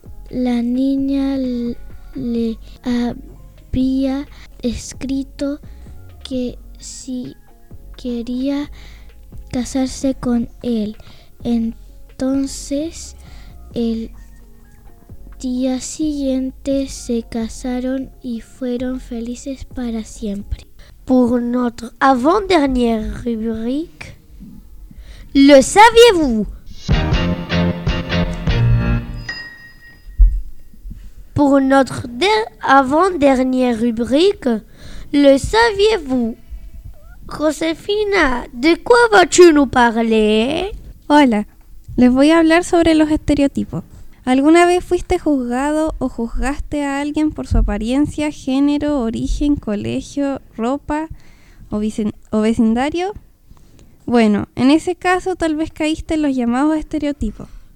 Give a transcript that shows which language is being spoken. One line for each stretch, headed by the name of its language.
Spanish: La niña le había escrito que si quería casarse con él. Entonces, el día siguiente se casaron y fueron felices para siempre.
French: Pour notre avant-dernière rubrique, le saviez-vous? Pour notre avant-dernière rubrique, le saviez-vous? Josefina, ¿de quoi vas-tu nous parler?
Spanish: Hola, les voy a hablar sobre los estereotipos. ¿Alguna vez fuiste juzgado o juzgaste a alguien por su apariencia, género, origen, colegio, ropa o vecindario? Bueno, en ese caso tal vez caíste en los llamados estereotipos.